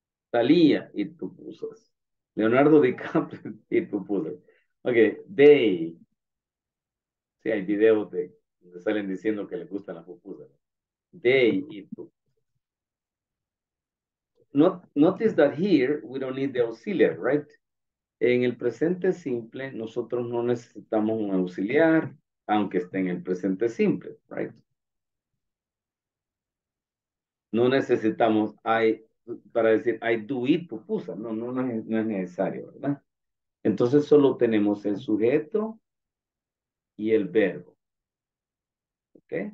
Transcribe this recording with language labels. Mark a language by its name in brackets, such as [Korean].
[English] Talía eat pupusas. Leonardo DiCaprio eat pupusas. Okay, they. [Spanish] Sí, hay videos de donde salen diciendo que les gustan las pupusas. [English] They eat pupusas. Notice that here we don't need the auxiliary, right? [Spanish] En el presente simple, nosotros no necesitamos un auxiliar, aunque esté en el presente simple, [English] right? [Spanish] No necesitamos para decir [English] I do eat pupusa. [Spanish] No es necesario, ¿verdad? Entonces solo tenemos el sujeto y el verbo. ¿Ok?